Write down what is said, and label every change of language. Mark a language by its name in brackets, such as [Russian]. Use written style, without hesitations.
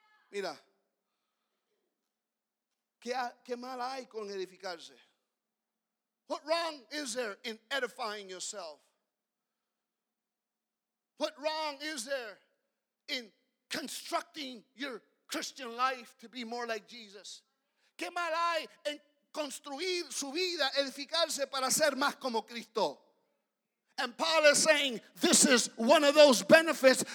[Spanish] Mira, ¿qué mal hay con edificarse? [English] What wrong is there in edifying yourself? What wrong is there in constructing your Christian life to be more like Jesus? [Spanish] ¿Qué mal hay en construir su vida, edificarse para ser más como Cristo? [English] And Paul is saying, this is one of those benefits.